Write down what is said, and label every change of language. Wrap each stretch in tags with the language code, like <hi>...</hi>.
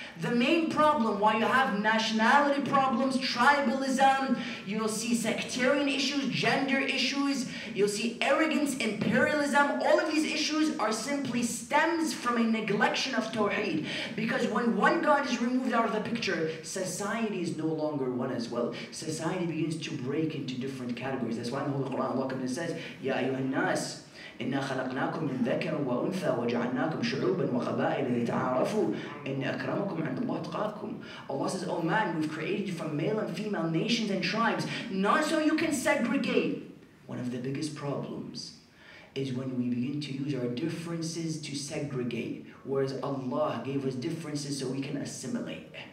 <en>The main problem why you have nationality problems, tribalism, you'll see sectarian issues, gender issues, you'll see arrogance, imperialism, all of these issues are simply stems from a neglection of Tawheed. Because when one God is removed out of the picture, society is no longer one as well. Society begins to break into different categories. That's why in the Holy Quran, Allah comes and says,</en> <ar>Ya ayyuhan nas, إنا خلقناكم من ذكر وأنثى وجعلناكم شعوبا وقبائل لتعارفوا إن أكرمكم عند الله أتقاكم.</ar> <en>Allah says, Oh man, we've created you from male and female nations and tribes, not so you can segregate. One of the biggest problems is when we begin to use our differences to segregate, whereas Allah gave us differences so we can assimilate.</en>